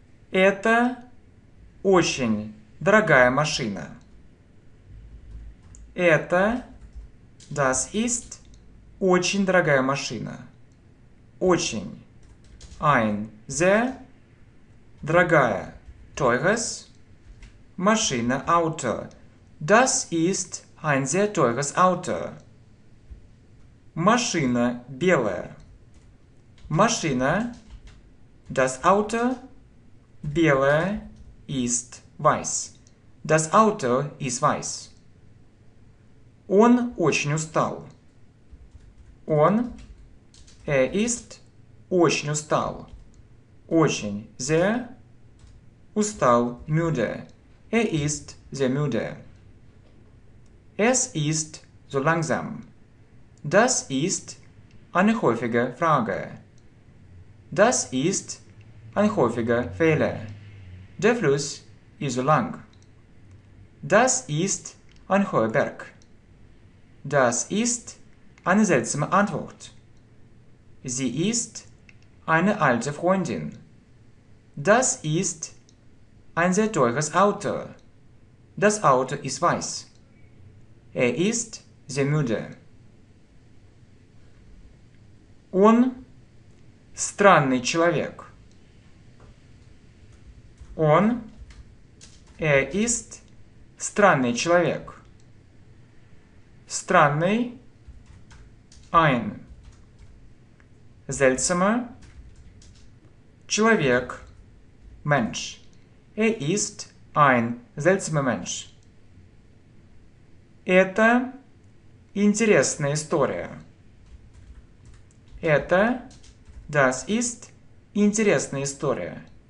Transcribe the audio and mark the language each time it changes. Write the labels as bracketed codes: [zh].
[ru] Это очень дорогая машина. Это [de] das ist [ru] очень дорогая машина. Очень [de] ein sehr [ru] дорогая [de] teures [ru] машина [de] Auto. Das ist ein sehr teures Auto. [ru] Машина белая. Машина [de] das Auto [ru] белая [de] ist weiß. Das Auto ist weiß. [ru] Он очень устал. Он [de] ist [ru] очень устал. Очень [de] sehr [ru] устал [de] müde. Ist sehr müde. Es ist so langsam. Das ist eine häufige Frage. Das ist ein häufiger Fehler. Der Fluss ist so lang. Das ist ein hoher Berg. Das ist eine seltsame Antwort. Sie ist eine alte Freundin. Das ist ein sehr teures Auto. Das Auto ist weiß. Ist sehr müde. [ru] Он странный человек. Он [de] ist [ru] странный человек. Странный [de] ein seltsamer [ru] человек [de] Mensch. Ist ein seltsamer Mensch. [ru] Это интересная история. Это [de] das ist [ru] интересная история.